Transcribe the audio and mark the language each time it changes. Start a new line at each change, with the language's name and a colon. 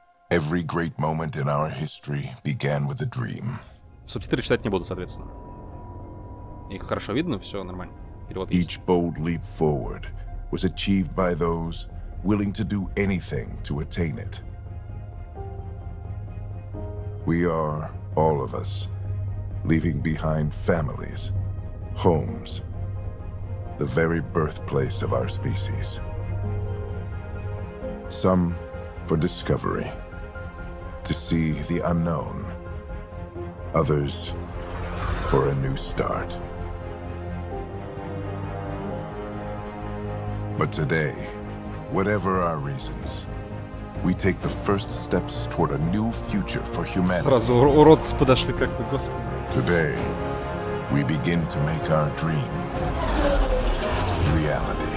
English: Every great moment in our history began with a dream.
Russian: Субтитры читать не буду, соответственно. Их хорошо видно, все нормально. Перевод есть.
English: Each bold leap forward was achieved by those willing to do anything to attain it. We are, all of us, leaving behind families, homes, the very birthplace of our species. Some for discovery, to see the unknown. Others for a new start. But today, whatever our reasons, we take the first steps toward a new future for humanity.
Russian: Сразу уродцы подошли как-то, господи.
English: Today, we begin to make our dream reality.